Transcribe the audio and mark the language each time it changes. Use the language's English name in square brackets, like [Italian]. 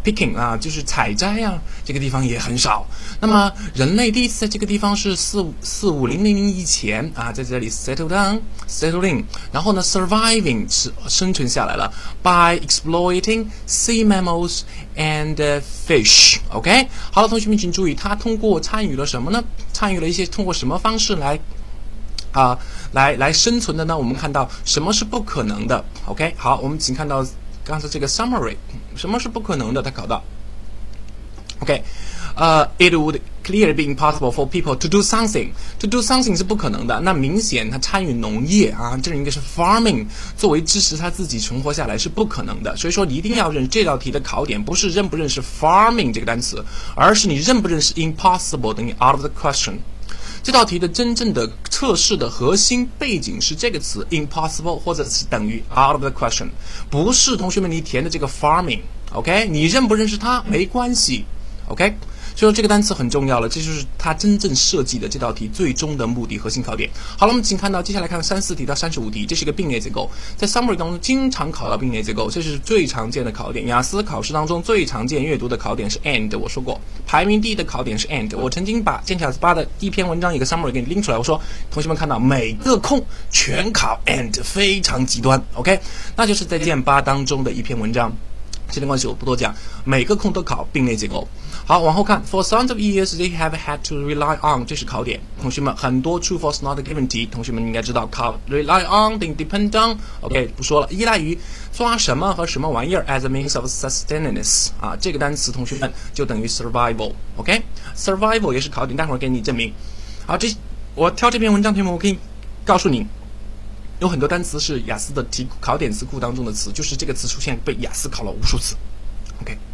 [Chinese] Picking 啊，就是采摘啊，这个地方也很少。那么人类第一次在这个地方是45000以前啊，在这里 settling， 然后呢 surviving 是生存下来了 [English] by exploiting sea mammals and fish。 [Chinese] OK， 好了，同学们请注意，他通过参与了什么呢？参与了一些通过什么方式来啊、来生存的呢？我们看到什么是不可能的。 OK， 好，我们请看到刚才这个 summary， 什么是不可能的，他考到 OK， [English] it would clearly be impossible for people to do something， [Chinese] to do something 是不可能的。那明显他参与农业啊，这应该是 farming， 作为支持他自己存活下来是不可能的。所以说你一定要认这道题的考点，不是认不认识 farming 这个单词，而是你认不认识 impossible 等于 out of the question。这道题的真正的测试的核心背景是这个词 impossible 或者是等于 out of the question， 不是同学们你填的这个 farming。 OK， 你认不认识它没关系， OK。所以说这个单词很重要了，这就是它真正设计的这道题最终的目的核心考点。好了，我们请看到接下来看34题到35题，这是一个并列结构。在 summary 当中经常考到并列结构，这是最常见的考点，雅思考试当中最常见阅读的考点是 and。我说过排名第一的考点是 and， 我曾经把剑桥8的一篇文章一个 summary 给你拎出来，我说同学们看到每个空全考 and， 非常极端， OK， 那就是在剑8当中的一篇文章，时间关系我不多讲，每个空都考并列结构。好，往后看 [English] For thousands of years they have had to rely on， [Chinese] 这是考点。同学们很多 true false not a given 题，同学们应该知道考 rely on 等于 depend on， OK， 不说了，依赖于抓什么和什么玩意儿 [English] as a means of sustenance [Chinese] 啊，这个单词同学们就等于 survival， OK， survival 也是考点，待会儿给你证明。好，这我挑这篇文章题目，我可以告诉你有很多单词是雅思的题考点词库当中的词，就是这个词出现被雅思考了无数次， OK。